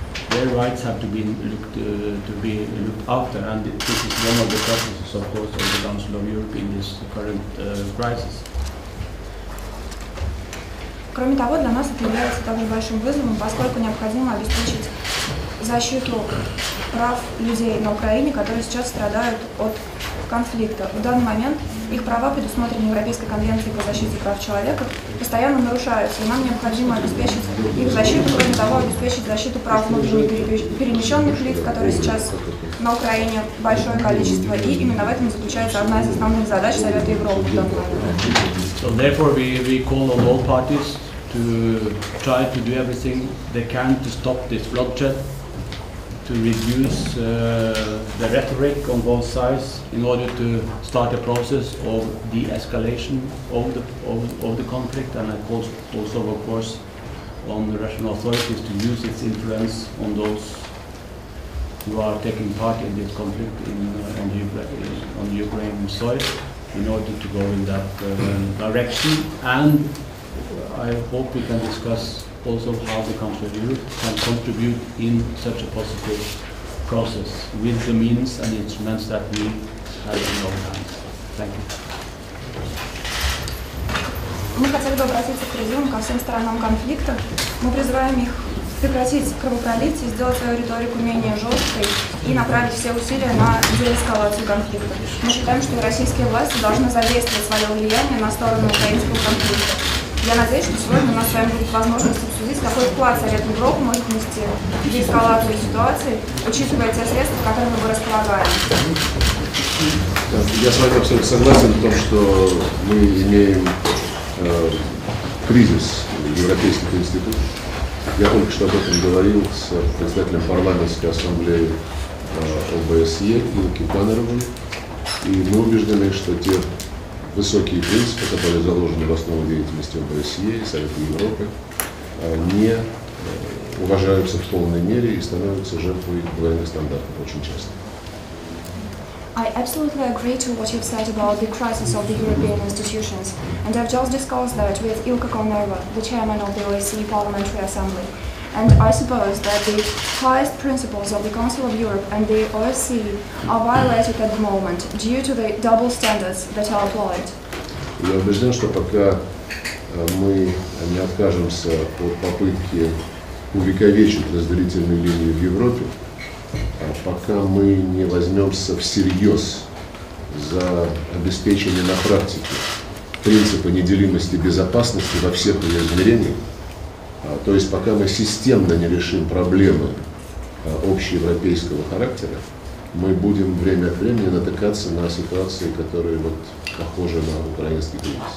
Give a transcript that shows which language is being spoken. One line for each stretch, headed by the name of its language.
English: Their rights have to be looked after, and this is one of the purposes, of course, of the Council of Europe in this current crisis.
Russian: Кроме того, для нас это является также большим вызовом, поскольку необходимо обеспечить защиту прав людей на Украине, которые сейчас страдают от конфликта. В данный момент их права, предусмотрены Европейской конвенцией по защите прав человека, постоянно нарушаются, и нам необходимо обеспечить их защиту, кроме того, обеспечить защиту прав многих перемещенных лиц, которые сейчас на Украине большое количество, и именно в этом заключается одна из основных задач Совета Европы.
English: So therefore we call on all parties to try to do everything they can to stop this bloodshed, to reduce the rhetoric on both sides in order to start a process of de-escalation of the conflict, and of course on the Russian authorities to use its influence on those who are taking part in this conflict on the Ukraine soil in order to go in that direction. And I hope we can discuss also how the Council of Europe can contribute in such a positive process with the means and instruments that we have in our hands. Thank you.
Russian: Мы хотели бы обратиться к призывам ко всем сторонам конфликта. Мы призываем их прекратить кровопролитие, сделать свою риторику менее жесткой и направить все усилия на деэскалацию конфликта. Мы считаем, что российские власти должны задействовать свое влияние на сторону украинского конфликта. Я надеюсь, что сегодня у нас с вами будет возможность обсудить, какой вклад Совет Европы может внести в эскалацию ситуации, учитывая те средства, которыми мы располагаем. Я с вами абсолютно согласен в том, что мы имеем кризис европейских институтов. Я только что об этом говорил с председателем парламентской ассамблеи ОБСЕ Илки Панеровой. И мы убеждены, что те высокие принципы, которые заложены в основу деятельности ОБСЕ и Совета Европы, не уважаются в полной мере и становятся жертвой двойных стандартов очень часто.
English: I absolutely agree to what you've said about the crisis of the European institutions, and I've just discussed that with Ilka Konerva, the chairman of the OSCE Parliamentary Assembly. And I suppose that the highest principles of the Council of Europe and the OSCE are violated at the moment due to the double standards that are applied.
Russian: Я убежден, что пока мы не откажемся от попытки увековечить разделительные линии в Европе, пока мы не возьмемся всерьез за обеспечение на практике принципа неделимости безопасности во всех ее измерениях, то есть пока мы системно не решим проблемы общеевропейского характера, мы будем время от времени натыкаться на ситуации, которые вот похожи на украинский кризис.